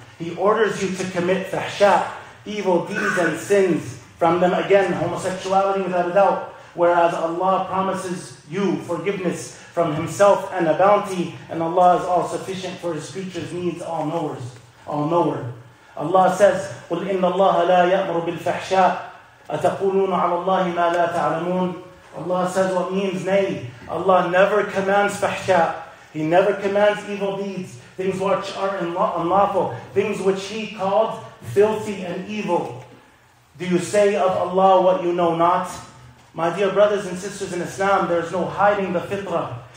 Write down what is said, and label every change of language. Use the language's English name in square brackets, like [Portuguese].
[English] He orders you to commit fahsha, evil deeds and sins, from them again, homosexuality without a doubt, whereas Allah promises you forgiveness from Himself and a bounty, and Allah is all sufficient for His creatures' needs, all knowers, all knower. Allah says, [Arabic] قُلْ إِنَّ اللَّهَ لَا يَأْمُرُ بِالْفَحْشَاءِ أَتَقُولُونَ عَلَى اللَّهِ مَا لَا تَعْلَمُونَ. [English] Allah says what means, nay, Allah never commands fahsha. He never commands evil deeds, things which are unlawful, things which He called filthy and evil. Do you say of Allah what you know not? My dear brothers and sisters in Islam, there is no hiding the fitrah.